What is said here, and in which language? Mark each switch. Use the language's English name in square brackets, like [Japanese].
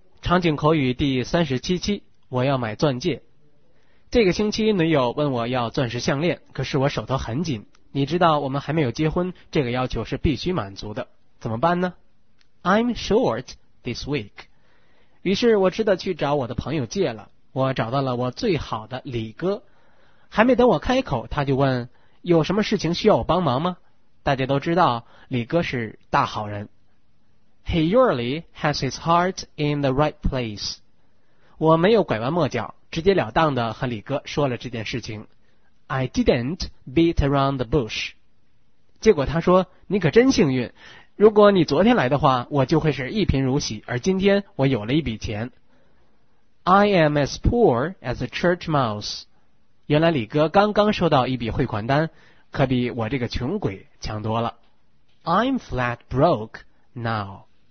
[Chinese] 场景口语第37期，我要买钻戒。这个星期女友问我要钻石项链，可是我手头很紧，你知道我们还没有结婚，这个要求是必须满足的，怎么办呢？ [English] I'm short this week。 [Chinese] 于是我只得去找我的朋友借了。我找到了我最好的李哥，还没等我开口，他就问有什么事情需要我帮忙吗？大家都知道李哥是大好人。 [English] He usually has his heart in the right place。 [Chinese] 我没有拐弯抹角，直截了当地和李哥说了这件事情。 [English] I didn't beat around the bush。 [Chinese] 结果他说，你可真幸运，如果你昨天来的话，我就会是一贫如洗，而今天我有了一笔钱。 [English] I am as poor as a church mouse。 [Chinese] 原来李哥刚刚收到一笔汇款单，可比我这个穷鬼强多了。 [English] I'm flat broke now。